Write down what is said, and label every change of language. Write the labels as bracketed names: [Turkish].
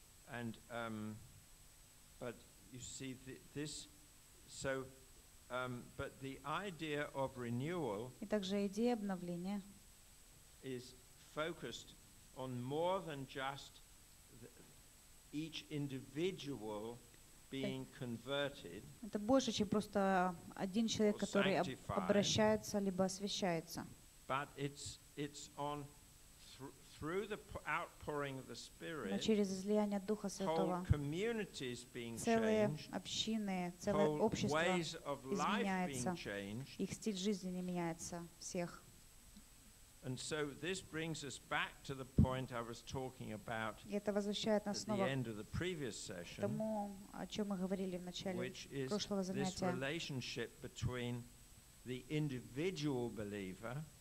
[Russian] И также идея обновления фокусирована [English] on more than just each individual being converted. [Russian] Это больше, чем просто один человек, который обращается либо освящается. [English] But it's on through the outpouring of the Spirit. [Russian] Но через излияние Духа Святого. [English] Whole communities being changed. [Russian] Целые общины, целое общество изменяется. [English] Whole ways of life being changed. [Russian] Их стиль жизни меняется всех. [English] And so this brings us back to the point I was talking about at the end of the previous session, [Russian] тому, о чём мы говорили в начале прошлого занятия. [English] Which is this relationship between the individual believer